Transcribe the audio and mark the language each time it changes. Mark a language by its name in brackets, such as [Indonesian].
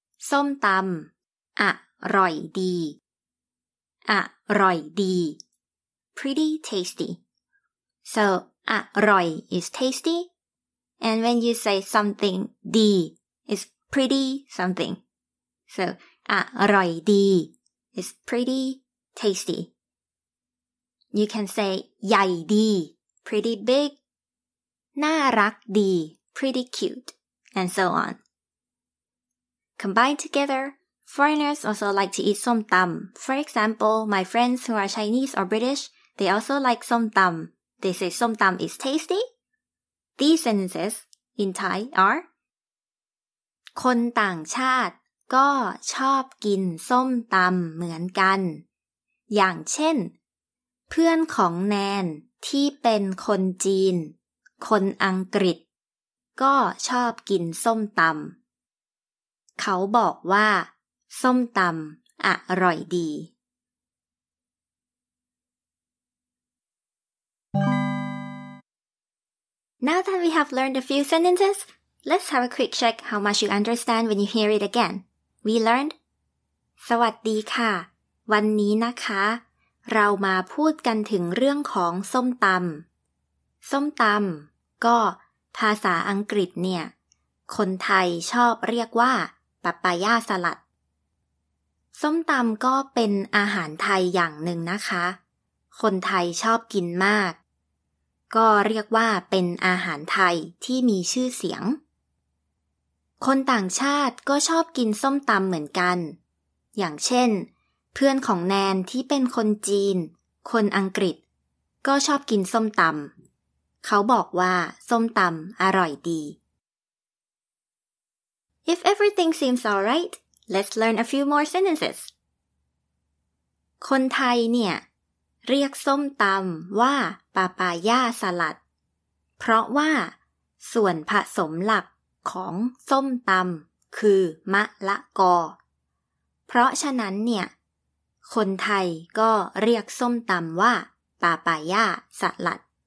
[Thai] ส้มตำอร่อยดีอร่อยดี [English] pretty tasty so อร่อย is tasty and when you say something ดี is pretty something so อร่อยดี is pretty tasty you can say ใหญ่ดี pretty big น่ารักดี pretty cute and so on combined togetherForeigners also like to eat som tam. For example, my friends who are Chinese or British, they also like som tam. They say som tam is tasty. These sentences in Thai are [Thai] คนต่างชาติก็ชอบกินส้มตำเหมือนกันอย่างเช่นเพื่อนของแนนที่เป็นคนจีนคนอังกฤษก็ชอบกินส้มตำเขาบอกว่าส้มตำอร่อยดี [English] Now that we have learned a few sentences, let's have a quick check how much you understand when you hear it again. We learned [Thai] สวัสดีค่ะวันนี้นะคะเรามาพูดกันถึงเรื่องของส้มตำส้มตำก็ภาษาอังกฤษเนี่ยคนไทยชอบเรียกว่าปัปปายาสลัดส้มตำก็เป็นอาหารไทยอย่างหนึ่งนะคะคนไทยชอบกินมากก็เรียกว่าเป็นอาหารไทยที่มีชื่อเสียง คนต่างชาติก็ชอบกินส้มตำเหมือนกันอย่างเช่นเพื่อนของแนนที่เป็นคนจีนคนอังกฤษก็ชอบกินส้มตำเขาบอกว่าส้มตำอร่อยดี [English] If everything seems all rightLet's learn a few more sentences. [Thai] คนไทยเนี่ยเรียกส้มตำว่าปาปายาสลัดเพราะว่าส่วนผสมหลักของส้มตำคือมะละกอเพราะฉะนั้นเนี่ยคนไทยก็เรียกส้มตำว่าปาปายาสลัด